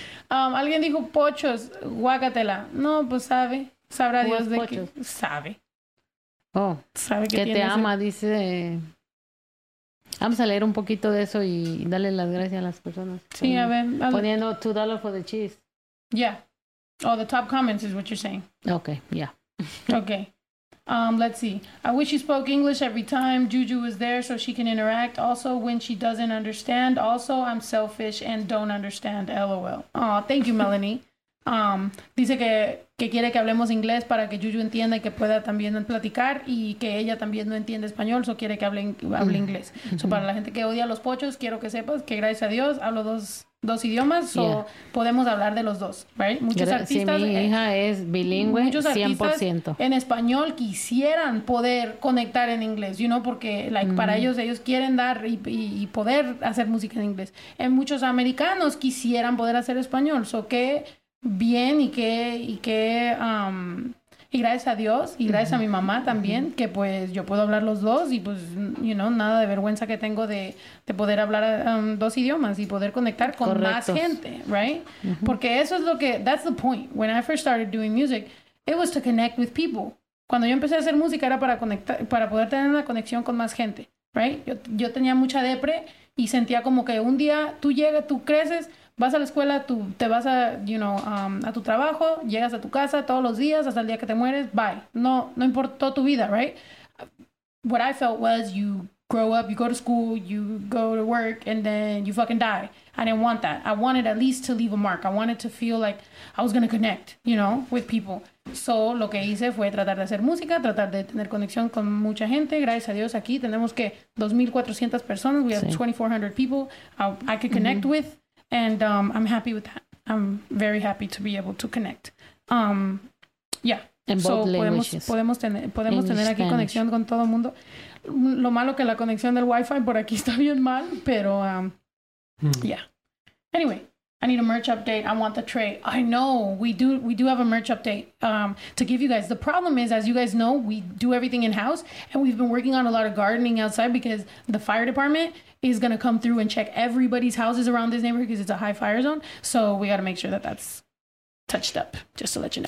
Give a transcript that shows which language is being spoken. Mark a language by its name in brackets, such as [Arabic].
[Spanish] Alguien dijo pochos, guácatela. No, pues sabe, sabrá Dios de qué. Sabe. Oh, sabe que te ama, dice. Vamos a leer un poquito de eso y darle las gracias a las personas. Sí, a ver. Poniendo [English] $2 for the cheese. Yeah. Oh, the top comments is what you're saying. Okay, yeah. Okay. Let's see. I wish she spoke English every time Juju was there so she can interact. Also, when she doesn't understand, also, I'm selfish and don't understand. LOL. Aw, thank you, Melanie. [Spanish] Dice que quiere que hablemos inglés para que Juju entienda y que pueda también platicar y que ella también no entiende español, so quiere que hable inglés. Mm-hmm. So para la gente que odia los pochos, quiero que sepas que gracias a Dios hablo dos idiomas, so podemos hablar de los dos, [English] right? [Spanish] Muchos artistas, si mi hija es bilingüe, 100%. Artistas en español quisieran poder conectar en inglés, [English] you know, [Spanish] porque like para ellos quieren dar y poder hacer música en inglés. En muchos americanos quisieran poder hacer español, so que bien y que y gracias a Dios y gracias a mi mamá también que pues yo puedo hablar los dos y pues [English] you know [Spanish] nada de vergüenza que tengo de poder hablar dos idiomas y poder conectar con más gente, right? Porque eso es lo que [English] that's the point. When I first started doing music, it was to connect with people. [Spanish] Cuando yo empecé a hacer música era para conectar para poder tener una conexión con más gente, [English] right? [Spanish] Yo tenía mucha depre y sentía como que un día tú llegas, tú creces, vas a la escuela, tú te vas a, [English] you know, [Spanish] a tu trabajo, llegas a tu casa todos los días hasta el día que te mueres, bye. No importó tu vida, [English] right? What I felt was you grow up, you go to school, you go to work, and then you fucking die. I didn't want that. I wanted at least to leave a mark. I wanted to feel like I was going to connect, you know, with people. [Spanish] So, lo que hice fue tratar de hacer música, tratar de tener conexión con mucha gente. Gracias a Dios, aquí tenemos que 2,400 personas. [English] We have 2,400 people I could connect with. And I'm happy with that. I'm very happy to be able to connect. In both languages. [Spanish] Podemos tener aquí Spanish. Conexión con todo el mundo. Lo malo que la conexión del Wi-Fi por aquí está bien mal, pero, [English] yeah. Anyway, I need a merch update. I want the tray. I know we do have a merch update to give you guys. The problem is, as you guys know, we do everything in-house and we've been working on a lot of gardening outside because the fire department is going to come through and check everybody's houses around this neighborhood because it's a high fire zone. So we got to make sure that that's touched up, just to let you know.